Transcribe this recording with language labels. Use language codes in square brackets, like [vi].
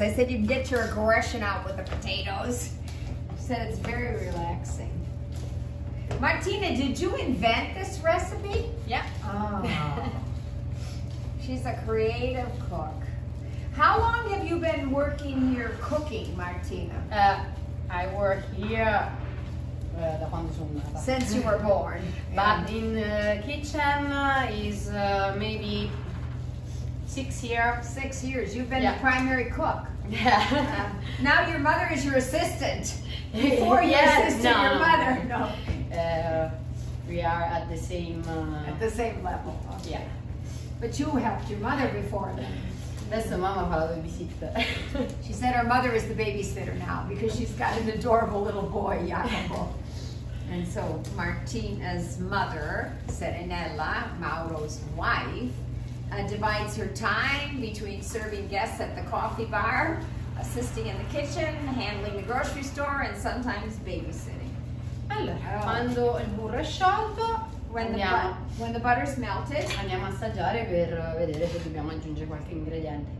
[en] I said you can get your aggression out with the potatoes. She said it's very relaxing. Martina, did you invent this recipe? Yep. Oh. She's a creative cook. How long have you been working here cooking, Martina? I work here [it] da quando sono nata. [en] Since you were born. But in the kitchen is maybe 6 years. 6 years. You've been the primary cook. Yeah. Now your mother is your assistant. Before your assistant, no. Your mother. No. We are at the same level. Okay. Yeah. But you helped your mother before then. [it] Adesso mamma fa la babysitta. [en] She said her mother is the babysitter now because she's got an adorable little boy, Jacopo. And so Martina's mother, Serenella, Mauro's wife, divides her time between serving guests at the coffee bar, assisting in the kitchen, handling the grocery store, and sometimes babysitting. [it] Allora, quando il burro è sciolto, [en] when the butter's melted, [it] andiamo a assaggiare per vedere se dobbiamo aggiungere qualche ingrediente.